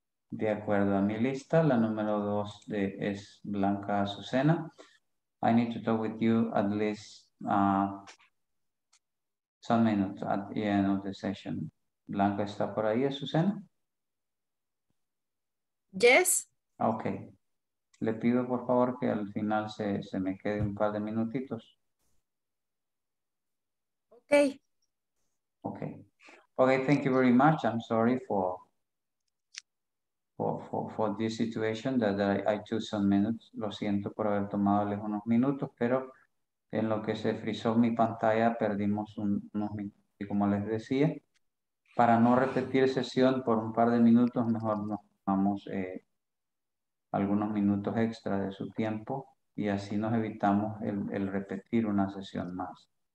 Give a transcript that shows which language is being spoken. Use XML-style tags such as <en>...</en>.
<es>De acuerdo a mi lista, la número 2 es Blanca Azucena.</es> <en>I need to talk with you at least some minutes at the end of the session.</en> <es>Blanca, ¿está por ahí, Azucena?</es> <en>Yes. Ok.</en> <es>Le pido, por favor, que al final se me quede un par de minutitos. Ok.</es> <en>Ok. Ok, thank you very much. I'm sorry for this situation that I took some minutes.</en> <es>Lo siento por haber tomado unos minutos, pero en lo que se frizó mi pantalla, perdimos unos minutos. Y como les decía, para no repetir sesión por un par de minutos, mejor nos vamos algunos minutos extra de su tiempo y así nos evitamos el repetir una sesión más.</es>